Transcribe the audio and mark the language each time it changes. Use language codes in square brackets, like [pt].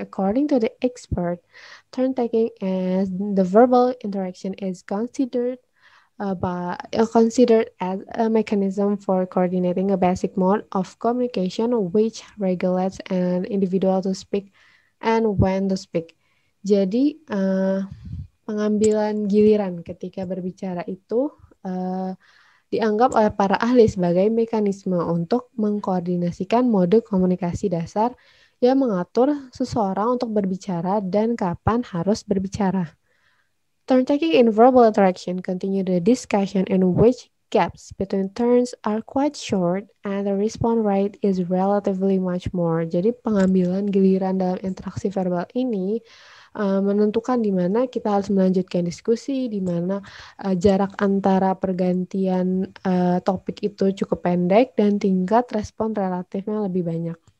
[en] According to the expert, turn-taking is the verbal interaction is considered as a mechanism for coordinating a basic mode of communication which regulates an individual to speak and when to speak. [id] Jadi, pengambilan giliran ketika berbicara itu dianggap oleh para ahli sebagai mekanisme untuk mengkoordinasikan mode komunikasi dasar yang mengatur seseorang untuk berbicara dan kapan harus berbicara. [en] Turn-taking in verbal interaction continue the discussion in which gaps between turns are quite short and the response rate is relatively much more. [id] Jadi pengambilan giliran dalam interaksi verbal ini menentukan di mana kita harus melanjutkan diskusi, di mana jarak antara pergantian topik itu cukup pendek dan tingkat respon relatifnya lebih banyak.